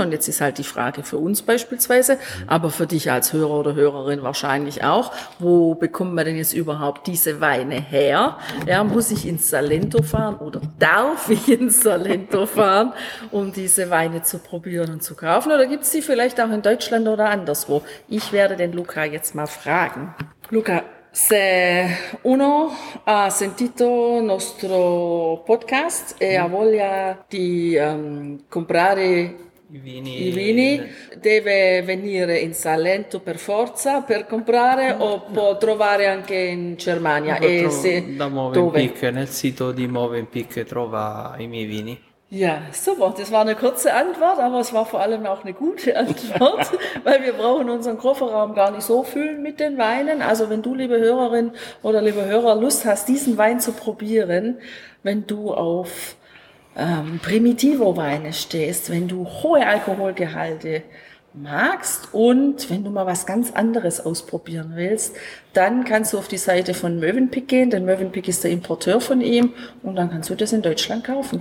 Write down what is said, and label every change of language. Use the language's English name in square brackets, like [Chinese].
[German] Und jetzt ist halt die Frage für uns beispielsweise, aber für dich als Hörer oder Hörerin wahrscheinlich auch, wo bekommt man denn jetzt überhaupt diese Weine her? Ja, muss ich ins Salento fahren oder darf ich ins Salento fahren, um diese Weine zu probieren und zu kaufen? Oder gibt's die vielleicht auch in Deutschland oder anderswo? Ich werde den Luca jetzt mal fragen. [Italian] Luca, se uno ha sentito nostro podcast e ha voglia di comprare i vini, deve venire in Salento per forza per comprare o può trovare anche in Germania? E se da Mövenpick, nel sito di Mövenpick trova i miei vini. [German] Ja, super. Das war eine kurze Antwort, aber es war vor allem auch eine gute Antwort, weil wir brauchen unseren Kofferraum gar nicht so füllen mit den Weinen. Also wenn du, liebe Hörerin oder lieber Hörer, Lust hast, diesen Wein zu probieren, wenn du auf Primitivo-Weine stehst, wenn du hohe Alkoholgehalte magst und wenn du mal was ganz anderes ausprobieren willst, dann kannst du auf die Seite von Mövenpick gehen, denn Mövenpick ist der Importeur von ihm und dann kannst du das in Deutschland kaufen.